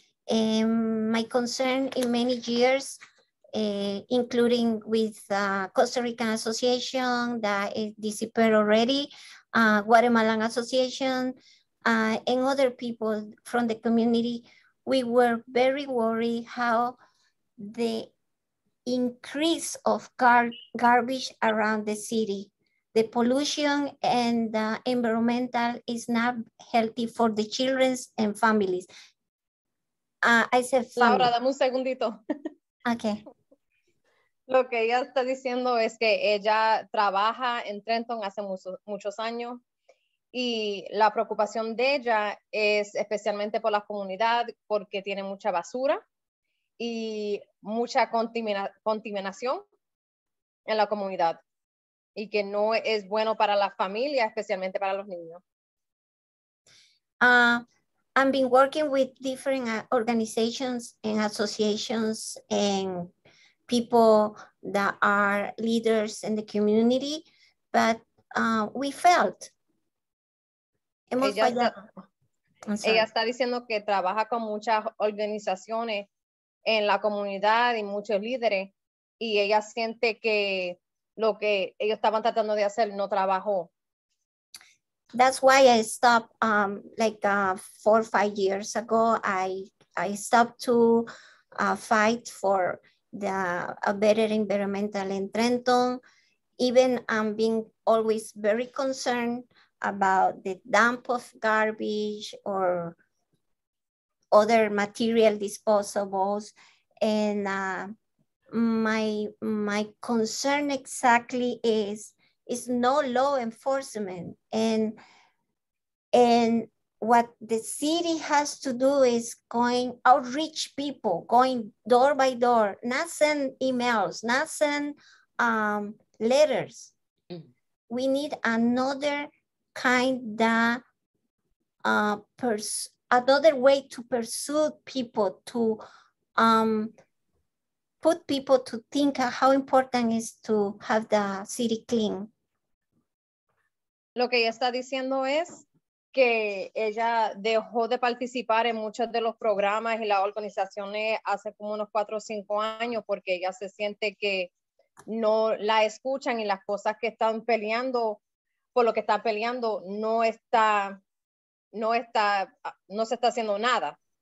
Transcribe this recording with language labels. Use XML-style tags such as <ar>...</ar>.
<en>My concern in many years, including with Costa Rican Association, that it disappeared already, Guatemalan Association, and other people from the community, we were very worried how the increase of garbage around the city, the pollution and the environmental is not healthy for the children and families.</en> <es>Laura, dame un segundito.</es> <en>Okay.</en> <es>Lo que ella está diciendo es que ella trabaja en Trenton hace muchos años. y la preocupación de ella es especialmente por la comunidad porque tiene mucha basura y mucha contaminación en la comunidad y que no es bueno para la familia, especialmente para los niños.</es> <en>I've been working with different organizations and associations and people that are leaders in the community, but we felt.</en> <es>Ella está diciendo que trabaja con muchas organizaciones en la comunidad y muchos líderes, y ella siente que lo que ellos estaban tratando de hacer no trabajó.</es> <en>That's why I stopped four or five years ago. I stopped to fight for a better environment in Trenton. Even I'm being always very concerned about the dump of garbage or other material disposables. And my concern exactly is no law enforcement. And what the city has to do is going outreach people, going door by door, not send emails, not send letters. Mm-hmm. We need another kind that another way to pursue people, to put people to think how important it is to have the city clean.</en> <es>Lo que ella está diciendo es que ella dejó de participar en muchos de los programas y las organizaciones hace como unos 4 o 5 años porque ella se siente que no la escuchan y las cosas que están peleando, por lo que están peleando, no se está haciendo nada.</es>